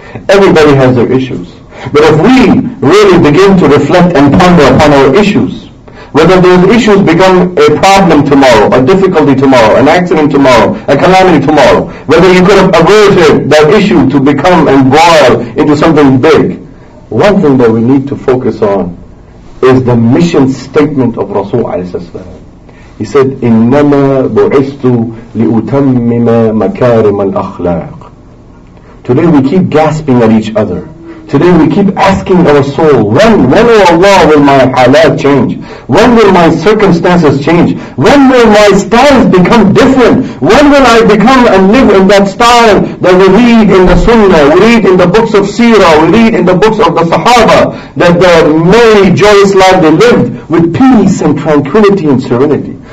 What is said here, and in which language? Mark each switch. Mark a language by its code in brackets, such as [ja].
[en] Everybody has their issues. But if we really begin to reflect and ponder upon our issues, whether those issues become a problem tomorrow, a difficulty tomorrow, an accident tomorrow, a calamity tomorrow, whether you could have averted that issue to become and boil into something big, one thing that we need to focus on is the mission statement of Rasul ﷺ. He said, [ar] إِنَّمَا بُعِثْتُ لِأُتَمِّمَ مَكَارِمَ الْأَخْلَاقِ. [en] Today we keep gasping at each other. Today we keep asking our soul, when, oh Allah, will my halal change? When will my circumstances change? When will my styles become different? When will I become and live in that style that we read in the Sunnah, we read in the books of Seerah, we read in the books of the Sahaba, that the merry, joyous life they lived with peace and tranquility and serenity?